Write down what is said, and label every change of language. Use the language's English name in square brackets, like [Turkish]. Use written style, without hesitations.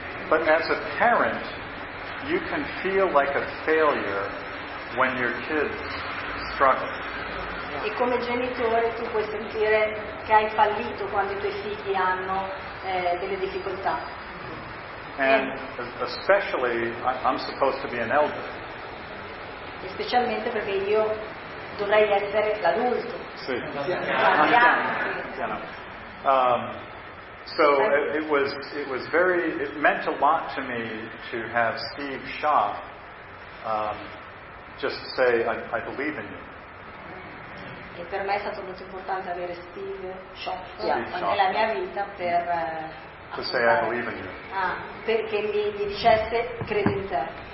[English] But as a parent, you can feel like a failure when your kids struggle. [Italian] E come genitore tu puoi sentire che hai fallito quando i tuoi figli hanno delle difficoltà. [English] And especially, I'm supposed to be an elder. [Italian] E specialmente perché io dovrei essere l'adulto. Sì. [English] So it meant a lot to me to have Steve Shaw just say I believe in you. [Italian] E per me è stato molto importante avere Steve Shaw nella mia vita per [English] to say I believe in you. [Italian] Perché mi dicesse credo in te.